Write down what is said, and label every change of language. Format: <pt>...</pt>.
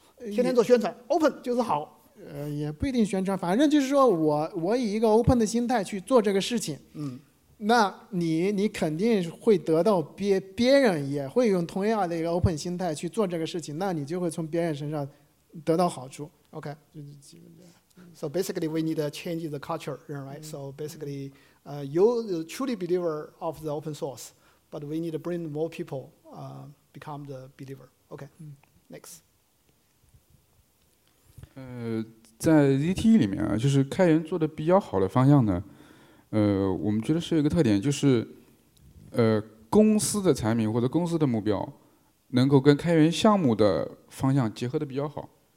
<zh>天天做宣传 open 就是好，也不一定宣传，反正就是说我以一个 open 的心态去做这个事情，嗯，那你肯定会得到别人也会用同样的一个 open 心态去做这个事情，那你就会从别人身上得到好处。</zh> <en>OK， So basically we need to change the culture, right? So basically you truly believer of the open source, but we need to bring more people become the believer. OK, next.</en> <zh>在 ZT 里面啊，就是开源做的比较好的方向呢，我们觉得是一个特点，就是公司的产品或者公司的目标能够跟开源项目的方向结合的比较好。</zh>